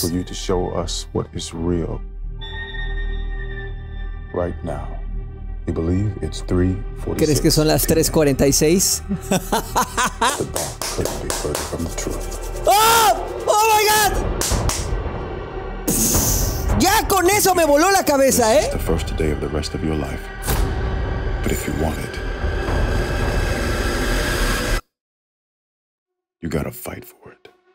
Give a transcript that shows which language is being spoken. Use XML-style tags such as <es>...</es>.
<en>For you to show us what is real. Right now. You believe it's 3:46.</en> <es>¿Crees que son las 3:46?</es> <en>The bomb couldn't be further from the truth. ¡Oh! ¡Oh, my God!</en> <es>¡Ya con eso me voló la cabeza, eh!</es> <en>This is the first day of the rest of your life. But if you want it, you gotta fight for it.</en>